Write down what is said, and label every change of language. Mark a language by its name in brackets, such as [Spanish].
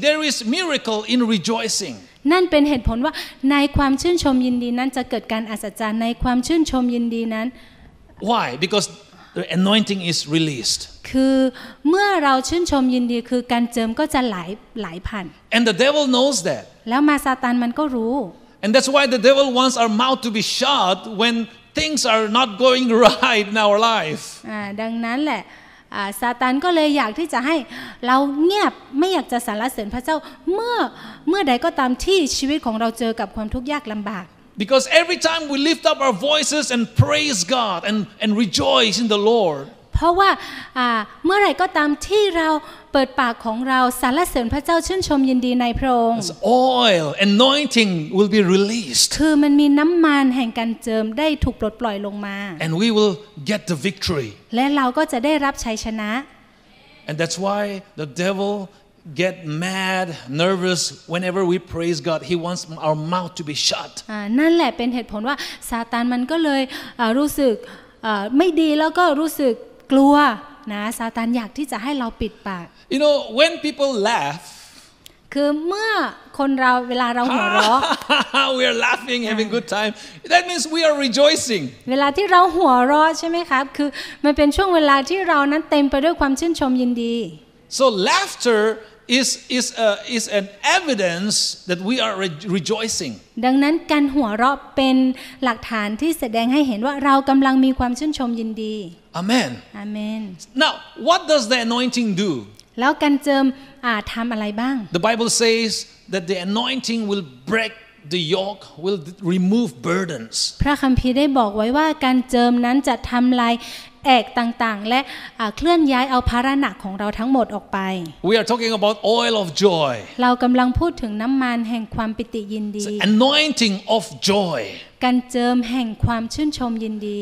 [English] There is miracle in rejoicing. [Thai] นั่นเป็นเหตุผลว่าในความชื่นชมยินดีนั้นจะเกิดการอัศจรรย์ในความชื่นชมยินดีนั้น [English] Why? Because the anointing is released. [Thai] คือเมื่อเราชื่นชมยินดีคือการเจิมก็จะไหลผ่าน [English] And the devil knows that. [Thai] แล้วมาซาตานมันก็รู้ [English] And that's why the devil wants our mouth to be shut when things are not going right in our life. [Thai] ดังนั้นแหละซาตานก็เลยอยากที่จะให้เราเงียบไม่อยากจะสรรเสริญพระเจ้าเมื่อใดก็ตามที่ชีวิตของเราเจอกับความทุกข์ยากลำบาก [English] Because every time we lift up our voices and praise God and rejoice in the Lord [Thai] เพราะว่าเมื่อไรก็ตามที่เราเปิดปากของเราสรรเสริญพระเจ้าชื่นชมยินดีในพระองค์ [English] This oil anointing will be released [Thai] คือมันมีน้ำมันแห่งการเจิมได้ถูกปลดปล่อยลงมา [English] And we will get the victory [Thai] และเราก็จะได้รับชัยชนะ [English] And that's why the devilget mad nervous whenever we praise God he wants our mouth to be shut [Thai] นั่นแหละเป็นเหตุผลว่าซาตานมันก็เลยรู้สึกไม่ดีแล้วก็รู้สึกกลัวนะซาตานอยากที่จะให้เราปิดปาก [English] you know when people laugh [Thai] คือเมื่อคนเราเวลาเราหัวเราะ [English] we are laughing having good time that means we are rejoicing [Thai] เวลาที่เราหัวเราะใช่มั้ยครับคือมันเป็นช่วงเวลาที่เรานั้นเต็มไปด้วยความชื่นชมยินดี [English] So laughter is an evidence that we are rejoicing. [Thai] ดังนั้นการหัวเราะเป็นหลักฐานที่แสดงให้เห็นว่าเรากำลังมีความชื่นชมยินดี [English] Amen. Amen. Now, what does the anointing do? [Thai] แล้วการเจิมทำอะไรบ้าง [English] The Bible says that the anointing will break the yoke, will remove burdens. [Thai] พระคัมภีร์ได้บอกไว้ว่าการเจิมนั้นจะทำลายแอกต่างๆและเคลื่อนย้ายเอาภาระหนักของเราทั้งหมดออกไป [English] We are talking about oil of joy [Thai] เรากำลังพูดถึงน้ำมันแห่งความปิติยินดี [English] Anointing of joy [Thai] การเจิมแห่งความชื่นชมยินดี